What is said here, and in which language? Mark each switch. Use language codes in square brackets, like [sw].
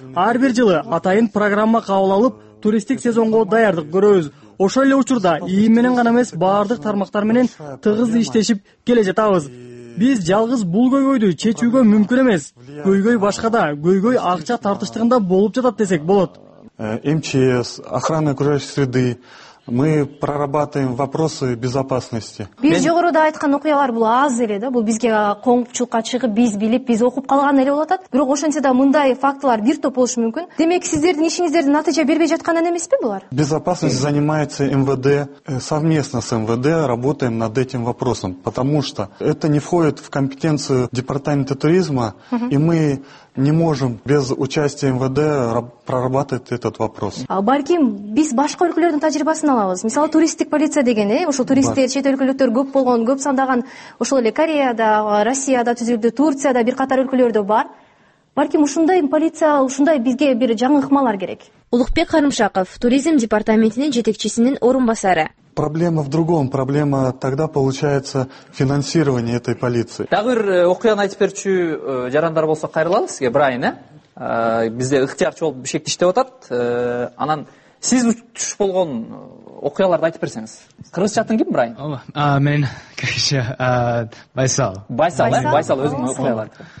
[ky] Ар бир жылы атайын программа кабыл алып, туристтик сезонго даярдык көрөбүз. Ошол эле учурда ИИМ менен гана эмес, баардык тармактар менен тыгыз иштешип келе жатабыз. Биз жалгыз бул көйгөйдү чечүүгө мүмкүн эмес. Көйгөй башкада, көйгөй акча тартыштыгында болуп жатат десек болот. [ru] МЧС, охрана окружающей среды, Мы прорабатываем вопросы безопасности. [ky] Биз жогоруда айткан окуялар бул аз эле да, бул бизге коңчулукка чыгып, биз билип, биз окуп калган эле болот. Бирок ошентсе да мындай фактылар бир топ болушу мүмкүн. Демек сиздердин ишиңиздердин натыйжа бербей жаткандан эмеспи булар? [ru] Безопасность занимается МВД совместно с МВД, работаем над этим вопросом, потому что это не входит в компетенцию департамента туризма, и мы не можем без участия МВД прорабатывать этот вопрос. [ky] А балким биз башка өлкөлөрдүн тажрыйбасын алабыз. Мисалы туристтик полиция деген, ошол туристтер, чет өлкөлүктөр көп болгон, көп сандаган ошол эле Кореяда, Россияда түзүлдү, Турцияда бир катар өлкөлөрдө бар. Балким ушундай полиция, ушундай бизге бир жаңы ыкмалар керек. Улукбек Карымшаков, туризм департаментинин жетекчисинин орун басары. [ru] Проблема в другом. Проблема тогда получается финансирование этой полиции. [ky] Дагы бир окуяны айтып берчү жарандар болсо кайрылалы сизге, Брайан, бизде ыктыярчы болуп Бишкекте иштеп атат. Анан сиз туш болгон окуяларды айтып берсеңиз. Кыргыз чатын ким Брайан? Мен кеше Байсал. Байсал, Байсал өзүнүн окуялары.